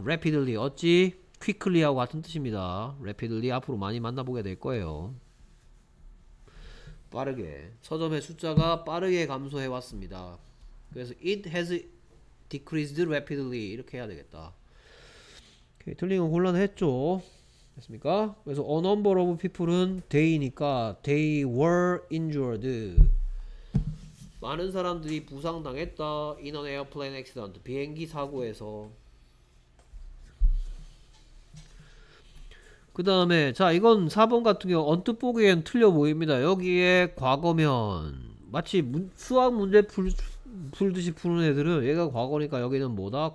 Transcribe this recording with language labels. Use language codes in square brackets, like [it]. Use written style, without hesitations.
[ko] rapidly 어찌? quickly하고 같은 뜻입니다. rapidly 앞으로 많이 만나보게 될 거예요. 빠르게. 서점의 숫자가 빠르게 감소해 왔습니다. 그래서 [en] it has decreased rapidly [ko] 이렇게 해야 되겠다. 오케이, 틀린 건 곤란했죠. 됐습니까? 그래서 a number of people은 they니까 [en] they were injured. [ko] 많은 사람들이 부상당했다. [en] In an airplane accident. [ko] 비행기 사고에서. 그 다음에 자 이건 4번 같은 경우 언뜻 보기엔 틀려 보입니다. 여기에 과거면 마치 수학 문제 풀듯이 푸는 애들은 얘가 과거니까 여기는 뭐다?